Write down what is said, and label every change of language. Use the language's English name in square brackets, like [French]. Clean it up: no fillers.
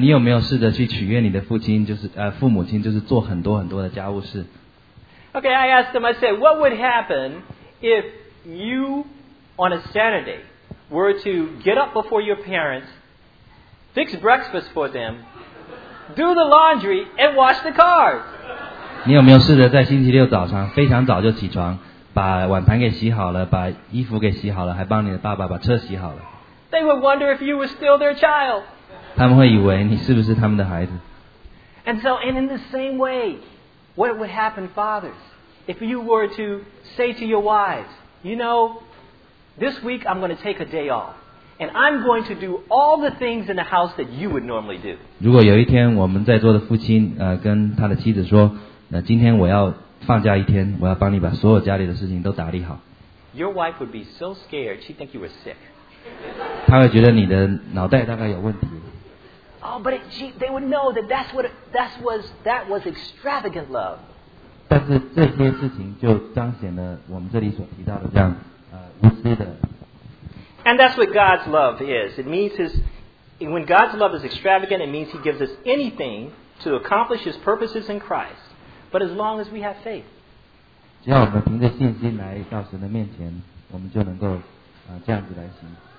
[Chinese] 你有没有试着去取悦你的父亲，就是父母亲，就是做很多很多的家务事。 [English] Okay, I asked them, I said, what would happen if you, on a Saturday, were to get up before your parents, fix breakfast for them, do the laundry, and wash the cars? [Chinese] 你有没有试着在星期六早上非常早就起床，把碗盘给洗好了，把衣服给洗好了，还帮你的爸爸把车洗好了。 [English] They would wonder if you were still their child. [Chinese] 他们会以为你是不是他们的孩子。 [English] And in the same way, what would happen, fathers, if you were to say to your wives, you know, this week I'm going to take a day off, and I'm going to do all the things in the house that you would normally do. [Chinese] 如果有一天我们在座的父亲跟他的妻子说，那今天我要放假一天，我要帮你把所有家里的事情都打理好。 [English] Your wife would be so scared, she'd think you were sick. [Chinese] 她会觉得你的脑袋大概有问题。 [English] Oh, but they would know that that was extravagant love. [Chinese] 但是这些事情就彰显了我们这里所提到的这样无私的。 [English] And that's what God's love is. It means when God's love is extravagant, it means He gives us anything to accomplish His purposes in Christ. But as long as we have faith. [Chinese] 只要我们凭着信心来到神的面前，我们就能够这样子来行。